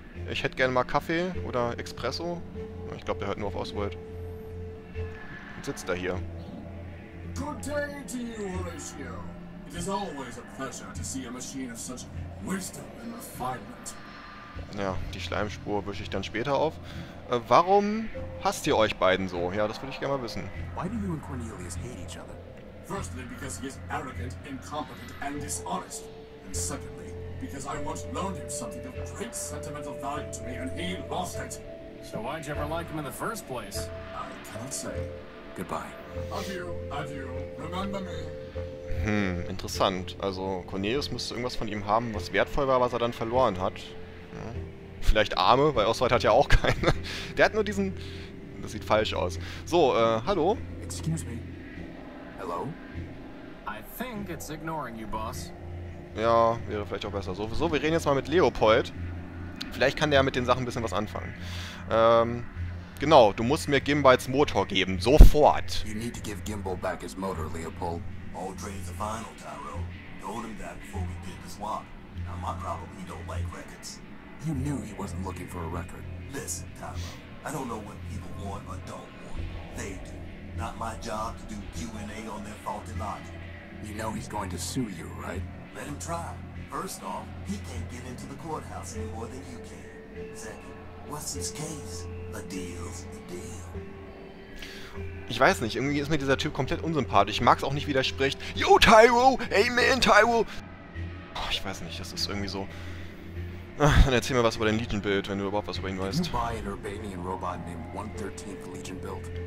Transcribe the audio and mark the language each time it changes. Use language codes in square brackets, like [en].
[de] Ich hätte gerne mal Kaffee oder Espresso. Ich glaube, der hört nur auf Oswald. Und sitzt da hier. [en] Good day to you, Horatio. It is always a pleasure to see a machine of such wisdom and refinement. [de] Ja, die Schleimspur wische ich dann später auf. Warum hasst ihr euch beiden so? Ja, das würde ich gerne mal wissen. [en] Why do you and Cornelius hate each other? Firstly, because he is arrogant, incompetent and dishonest. And secondly, because I once loaned him something of great sentimental value to me and he lost it. So why'd you ever like him in the first place? I cannot say. Goodbye. Adieu, adieu. Remember me. [de] Interessant. Also Cornelius müsste irgendwas von ihm haben, was wertvoll war, was er dann verloren hat. Ja. Vielleicht Arme, weil Oswald hat ja auch keine. Der hat nur diesen... Das sieht falsch aus. So, hallo? [en] Excuse me. Hello? I think it's ignoring you, boss. [de] Ja, wäre vielleicht auch besser. So, wir reden jetzt mal mit Leopold. Vielleicht kann der mit den Sachen ein bisschen was anfangen. Genau, du musst mir Gimbals Motor geben. Sofort. [en] You need to give Gimbal back his motor, Leopold. Audrey is the final, Tyro. Told him that before we did the swap. Now my problem, he don't like records. You knew he wasn't looking for a record. Listen, Tyro, I don't know what people want or don't want. They do. Not my job to do Q&A on their faulty logic. You know he's going to sue you, right? Let him try. First off, he can't get into the courthouse any more than you can. Second, what's his case? A deal's a deal. [de] Ich weiß nicht, irgendwie ist mir dieser Typ komplett unsympathisch. Ich mag's auch nicht, wie der spricht. Yo, Tyro! Amen, Tyro! Oh, ich weiß nicht, das ist irgendwie so... Ach, dann erzähl mir was über dein Legion-Bild, wenn du überhaupt was über ihn weißt. [en] Did you buy an Urbanian robot named 113th Legion build?